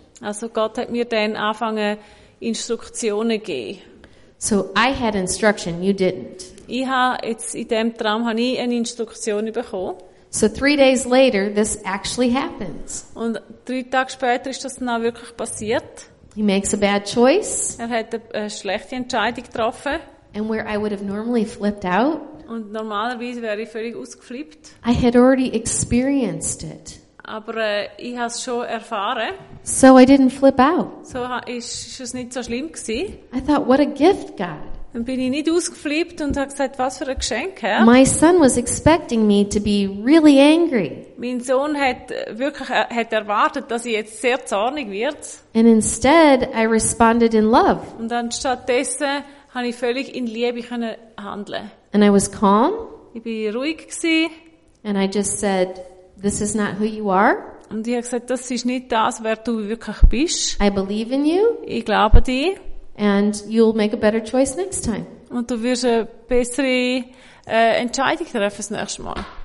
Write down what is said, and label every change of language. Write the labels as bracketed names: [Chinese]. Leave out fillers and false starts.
[German] Also Gott hat mir dann angefangen, Instruktionen zu geben. [English] So, I had instruction, you didn't. [German] Ich habe jetzt in dem Traum habe ich eine Instruktion bekommen. [English] So 3 days later, this actually happens. [German] Und 3 Tage später ist das dann auch wirklich passiert. [English] He makes a bad choice. [German] Er hat eine schlechte Entscheidung getroffen. [English] And where I would have normally flipped out. [German] Und normalerweise wäre ich völlig ausgeflippt. [English] I had already experienced it. [German] Aber ich habe es schon erfahren. [English] So I didn't flip out. [German] So ist es nicht so schlimm gewesen. [English] I thought, what a gift, God. [German] Dann bin ich nicht ausgeflippt und habe gesagt, was für ein Geschenk, Herr. [English] My son was expecting me to be really angry. [German] Mein Sohn hat wirklich hat erwartet, dass ich jetzt sehr zornig werde. [English] And instead, I responded in love. [German] Und anstattdessen habe ich völlig in Liebe können handeln. [English] And I was calm. [German] Ich bin ruhig gewesen. [English] And I just said, this is not who you are. [German] Und ich habe gesagt, das ist nicht das, wer du wirklich bist. [English] I believe in you. [German] Ich glaube an dich. [English] And you'll make a better choice next time. [German] Und du wirst eine bessere Entscheidung treffen das nächste Mal.